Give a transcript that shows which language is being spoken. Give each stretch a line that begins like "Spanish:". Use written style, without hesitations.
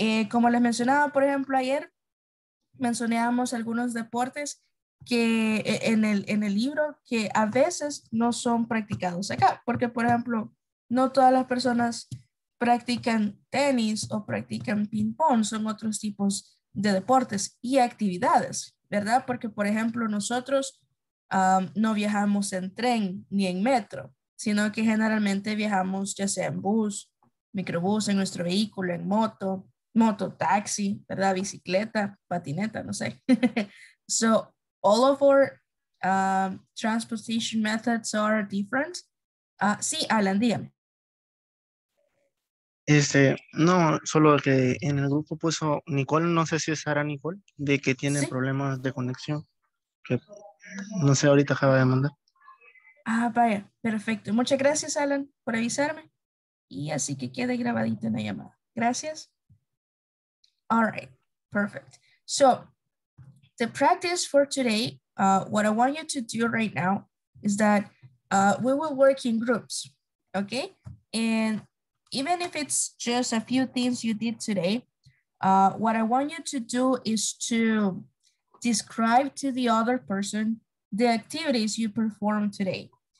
Spanish: Como les mencionaba, por ejemplo, ayer mencionábamos algunos deportes que en el libro que a veces no son practicados acá, porque por ejemplo, no todas las personas practican tenis o practican ping pong, son otros tipos de deportes y actividades, ¿verdad? Porque por ejemplo, nosotros no viajamos en tren ni en metro, sino que generalmente viajamos ya sea en bus, microbús, en nuestro vehículo, en moto, taxi, ¿verdad? Bicicleta, patineta, no sé.
English: So, all of our transportation methods are different.
Spanish: Sí, Alan, dígame. No, solo que en el grupo puso Nicole, no sé si es Sara Nicole, de que tiene ¿sí? problemas de conexión, que no sé ahorita qué va a mandar. Ah, vaya, perfecto. Muchas gracias, Alan, por avisarme. Y así que quede grabadito en la llamada. Gracias.
English: All right, perfect. So, the practice for today, what I want you to do right now is that we will work in groups, okay? And even if it's just a few things you did today, what I want you to do is to describe to the other person the activities you performed today.